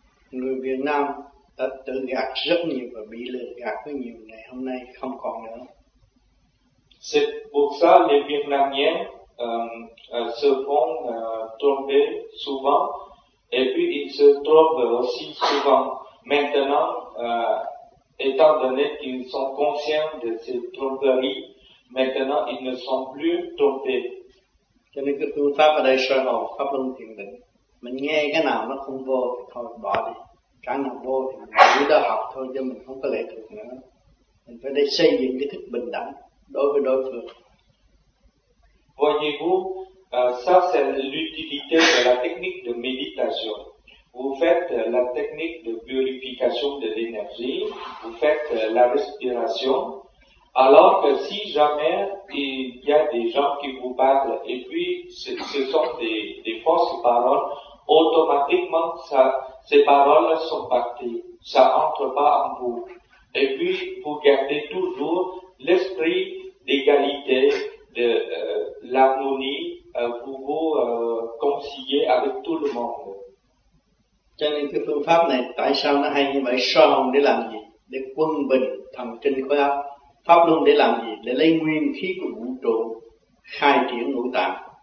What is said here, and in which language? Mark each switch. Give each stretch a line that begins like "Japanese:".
Vietnamese: Người Việt Nam đã tự gạt rất nhiều và bị lừa gạt rất nhiều, ngày hôm nay không còn nữa.
French: C'est pour ça les Vietnamiens se font tromper souvent et puis ils se trompent aussi souvent. Maintenant, étant donné qu'ils sont conscients de ces tromperies, maintenant ils ne sont plus trompés.
Vietnamese: Cho nên cái phương pháp ở đây soi hồn pháp luân thiền định. Mình nghe cái nào nó không vô thì thôi bỏ đi. Cái nào vô thì mình chỉ đã học thôi chứ mình không có lệ thuộc nữa. Mình phải để xây dựng cái thức bình đẳng đối với đối phương.
French: Voyez-vous, ça c'est l'utilité de la technique de méditation. Vous faites la technique de purification de l'énergie, vous faites la respiration. Alors que si jamais il y a des gens qui vous parlent et puis ce sont des fausses paroles, automatiquement ça, ces paroles sont parties, ça entre pas en vous. Et puis vous gardez toujours l'esprit d'égalité, de l'harmonie, vous vous conciliez avec tout le monde.
Vietnamese: Cho nên cái phương pháp này, tại sao nó hay như vậy? Soi hồn để làm gì? Để quân bình thần kinh khối óc. Pháp luân để làm gì? Để lấy nguyên khí của vũ trụ khai triển ngũ tạng.